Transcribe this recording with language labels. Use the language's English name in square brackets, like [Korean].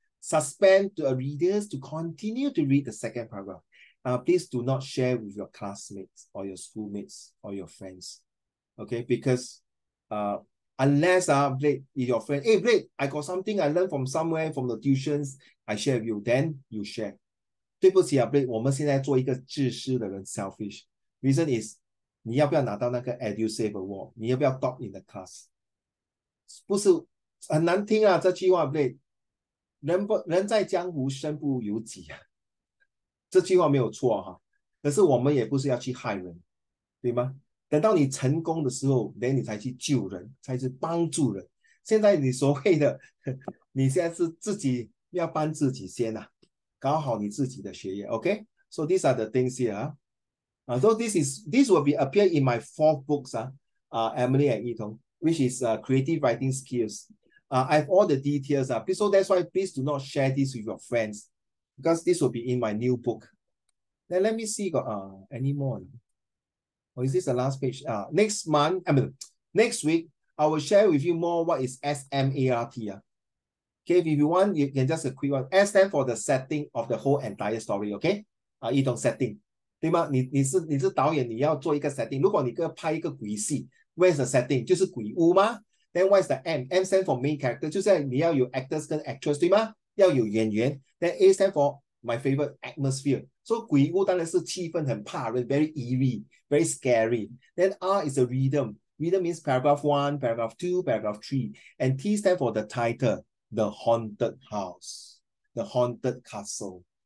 [English] Suspend the readers to continue to read the second paragraph. Please do not share with your classmates or your schoolmates or your friends. Okay, because unless Blake, your friend, hey Blake, I got something I learned from somewhere, from the tuitions, I share with you, then you share. [Chinese] 对不起, Blake, 我们现在做一个自私的人, selfish. [English] Reason is, [Chinese] 你要不要拿到那个 EduSave Award? 你要不要 [English] top in the class? [Chinese] 不是, 很难听啊, 这句话, Blake. 人在江湖身不由己啊, 这句话没有错啊, 可是我们也不是要去害人, 对吗? 等到你成功的时候, then 你才去救人, 才去帮助人, 现在你所谓的, 你现在是自己要帮自己先啊, 搞好你自己的学业, okay? [English] So these are the things here. So this will be appear in my fourth books, Emily and Yitong, which is creative writing skills. I have all the details. So that's why please do not share this with your friends, because this will be in my new book. Then let me see any more. Or is this the last page? Next week, I will share with you more what is SMART. Okay, if you want, you can just a quick one. S stand for the setting of the whole entire story, okay? [Chinese] Yitong, setting. 对吗? 你是导演, 你要做一个 setting. 如果你拍一个鬼戏, [English] where's the setting? [Chinese] 就是鬼屋吗? [English] Then what's the M? M stand for main character. [Chinese] 就是你要有 actors 跟 actress, 对吗? 要有演员. [English] Then A stand for my favorite atmosphere. [Chinese] So 鬼屋当然是气氛很怕人, [English] very eerie, very scary. Then R is a rhythm. Rhythm means paragraph 1, paragraph 2, paragraph 3. And T stand for the title, the haunted house, the haunted castle.